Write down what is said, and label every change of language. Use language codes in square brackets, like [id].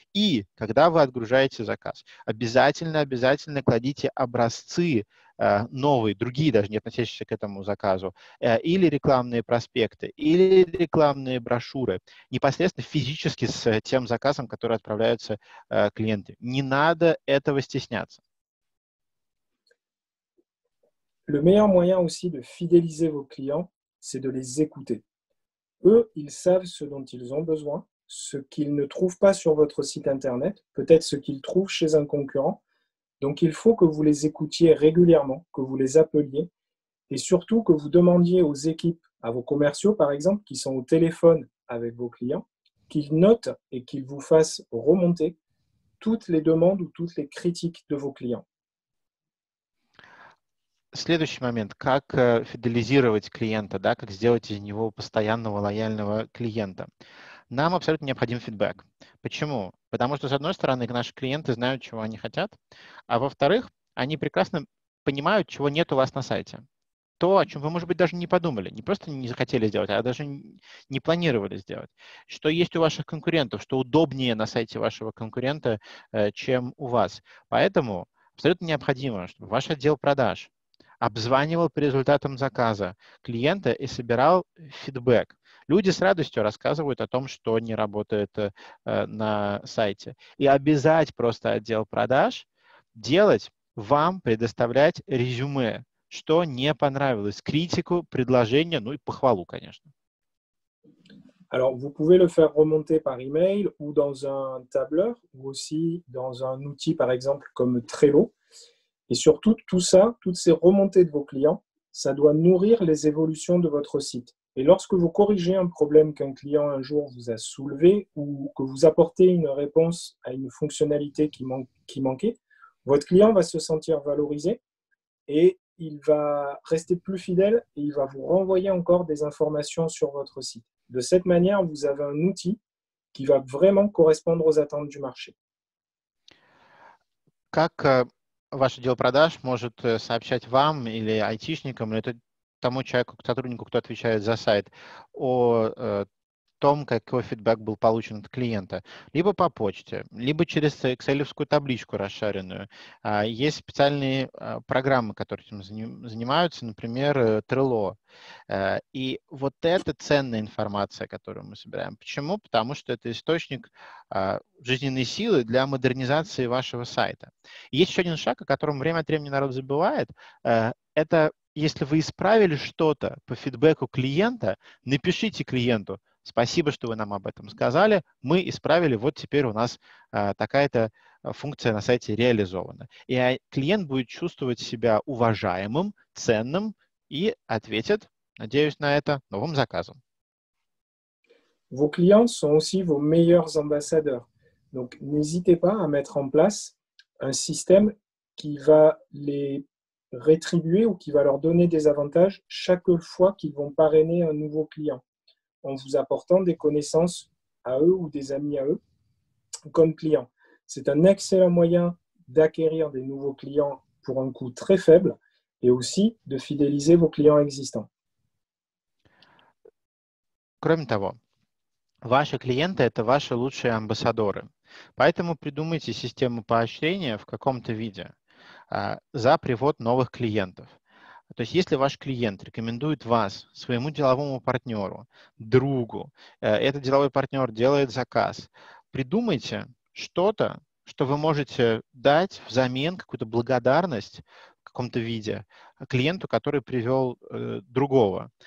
[ru] И когда вы отгружаете заказ, обязательно кладите образцы новые, другие даже не относящиеся к этому заказу, или рекламные проспекты, или рекламные брошюры, непосредственно физически с тем заказом, который отправляются клиенты. Не надо этого стесняться. [fr] Le meilleur moyen aussi de fidéliser vos clients, c'est de les écouter. Eux, ils savent ce dont ils ont besoin, ce qu'ils ne trouvent pas sur votre site internet, peut-être ce qu'ils trouvent chez un concurrent. Donc, il faut que vous les écoutiez régulièrement, que vous les appeliez et surtout que vous demandiez aux équipes, à vos commerciaux par exemple, qui sont au téléphone avec vos clients, qu'ils notent et qu'ils vous fassent remonter toutes les demandes ou toutes les critiques de vos clients. [ru] Следующий момент. Как фидализировать клиента, да, как сделать из него постоянного лояльного клиента? Нам абсолютно необходим фидбэк. Почему? Потому что, с одной стороны, наши клиенты знают, чего они хотят, а во-вторых, они прекрасно понимают, чего нет у вас на сайте. То, о чем вы, может быть, даже не подумали, не просто не захотели сделать, а даже не планировали сделать. Что есть у ваших конкурентов, что удобнее на сайте вашего конкурента, чем у вас. Поэтому абсолютно необходимо, чтобы ваш отдел продаж обзванивал по результатам заказа клиента и собирал фидбэк. Люди с радостью рассказывают о том, что не работает на сайте. И обязать просто отдел продаж делать вам, предоставлять резюме, что не понравилось, критику, предложение, ну и похвалу, конечно. [fr] Alors, vous pouvez le faire remonter par email ou dans un tableur ou aussi dans un outil, par exemple, comme Trello. Et surtout, tout ça, toutes ces remontées de vos clients, ça doit nourrir les évolutions de votre site. Et lorsque vous corrigez un problème qu'un client un jour vous a soulevé ou que vous apportez une réponse à une fonctionnalité qui manquait, votre client va se sentir valorisé et il va rester plus fidèle et il va vous renvoyer encore des informations sur votre site. De cette manière, vous avez un outil qui va vraiment correspondre aux attentes du marché. [ru] Ваш отдел продаж может сообщать вам или айтишникам, или тому человеку, сотруднику, кто отвечает за сайт, о том, какой фидбэк был получен от клиента. Либо по почте, либо через экселевскую табличку расшаренную. Есть специальные программы, которые этим занимаются, например, Trello. И вот это ценная информация, которую мы собираем. Почему? Потому что это источник жизненной силы для модернизации вашего сайта. Есть еще один шаг, о котором время от времени народ забывает. Это если вы исправили что-то по фидбэку клиента, напишите клиенту: спасибо, что вы нам об этом сказали, мы исправили, вот теперь у нас такая-то функция на сайте реализована. И клиент будет чувствовать себя уважаемым, ценным и ответит, надеюсь на это, новым заказом. [fr] Vos clients sont aussi vos meilleurs ambassadeurs. Donc, n'hésitez pas à mettre en place un système qui va les rétribuer ou qui va leur donner des avantages chaque fois qu'ils vont parrainer un nouveau client. En vous apportant des connaissances à eux ou des amis à eux comme clients. C'est un excellent moyen d'acquérir des nouveaux clients pour un coût très faible et aussi de fidéliser vos clients existants. [ru] Кроме того, ваши клиенты – это ваши лучшие амбассадоры. Поэтому придумайте систему поощрения в каком-то виде за привод новых клиентов. То есть если ваш клиент рекомендует вас своему деловому партнеру, другу, этот деловой партнер делает заказ, придумайте что-то, что вы можете дать взамен, какую-то благодарность в каком-то виде клиенту, который привел другого.